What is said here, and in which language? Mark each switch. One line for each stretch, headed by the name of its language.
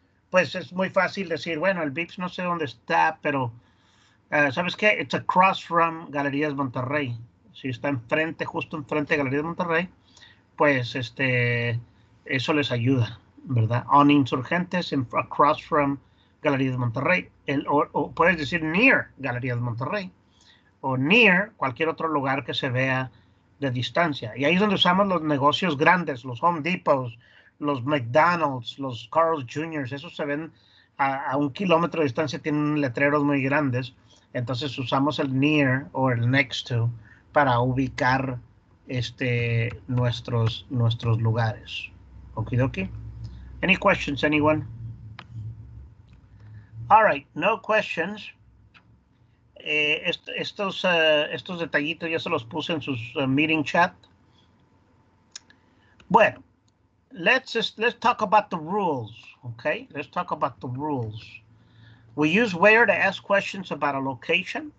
Spanish: Pues es muy fácil decir, bueno, el Vips no sé dónde está, pero ¿sabes qué?
English: It's across from Galerías Monterrey.
Spanish: Si está enfrente, justo enfrente de Galerías Monterrey, pues este, eso les ayuda, ¿verdad?
English: On Insurgentes, across from Galerías Monterrey.
Spanish: O puedes decir near Galerías Monterrey. O near cualquier otro lugar que se vea de distancia. Y ahí es donde usamos los negocios grandes, los Home Depots, los McDonald's, los Carl's Jr., esos se ven a un kilómetro de distancia, tienen letreros muy grandes. Entonces usamos el near o el next to para ubicar este, nuestros lugares. Okidoki.
English: Any questions, anyone? All right, no questions.
Spanish: Estos detallitos yo se los puse en sus meeting chat. Bueno.
English: Let's talk about the rules, okay? Let's talk about the rules. We use where to ask questions about a location.